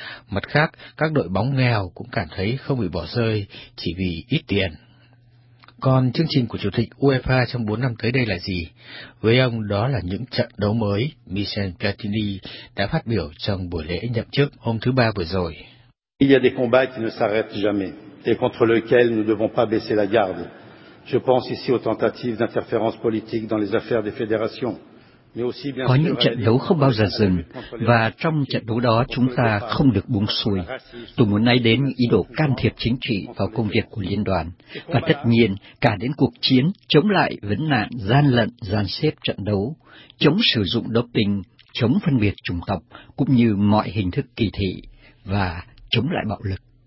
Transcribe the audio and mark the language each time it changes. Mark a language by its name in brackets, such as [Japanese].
[Vietnamese] Mặt khác, các đội bóng nghèo cũng cảm thấy không bị bỏ rơi chỉ vì ít tiền. Còn chương trình của Chủ tịch UEFA trong 4 năm tới đây là gì? Với ông, đó là những trận đấu mới, Michel Platini đã phát biểu trong buổi lễ nhậm chức hôm thứ Ba vừa rồi. [French] Il y a des combats qui ne s'arrêtent jamais et contre lesquels nous ne devons pas baisser la garde. Je pense ici aux tentatives d'interférence politique dans les affaires des fédérations. [Vietnamese] Có những trận đấu không bao giờ dừng, và trong trận đấu đó chúng ta không được buông xuôi. Tôi muốn nói đến ý đồ can thiệp chính trị vào công việc của liên đoàn, và tất nhiên cả đến cuộc chiến chống lại vấn nạn gian lận, dàn xếp trận đấu, chống sử dụng doping, chống phân biệt chủng tộc, cũng như mọi hình thức kỳ thị, và chống lại bạo lực.